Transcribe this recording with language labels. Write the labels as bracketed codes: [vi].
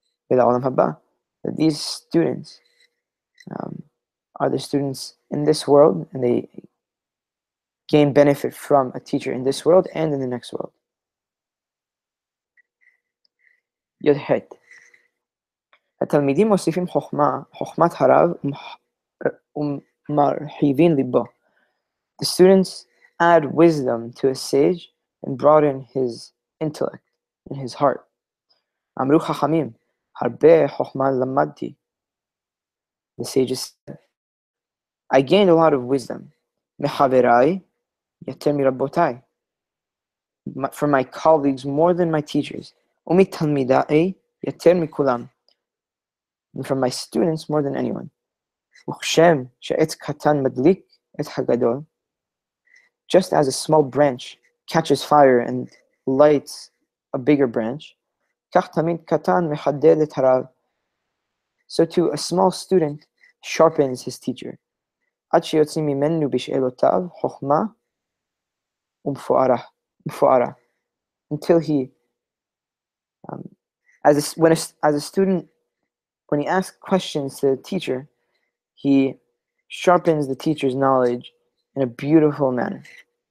[en] That these students are the students in this world, and they gain benefit from a teacher in this world and in the next world. [he] י"ח. התלמידים מוסיפים חוכמה, חוכמת הרב ומרחיבים ליבו. [en] The students add wisdom to a sage and broaden his intellect and his heart. [he] אמרו חכמים, הרבה חוכמה למדתי. [en] The sages said, I gained a lot of wisdom. [he] מחבריי, יותר מרבותיי. [en] From my colleagues more than my teachers. [he] ומתלמידיי, יותר מכולם. [en] And from my students more than anyone. [he] וכשם שעץ קטן מדליק את הגדול. [en] Just as a small branch catches fire and lights a bigger branch, [he] כך תמיד קטן מחדד את הרב. [en] So too, a small student sharpens his teacher. [he] עד שיוצאים ממנו בשאלותיו חוכמה ומפוארה. [en] Until he, when he asks questions to the teacher, he sharpens the teacher's knowledge in a beautiful manner.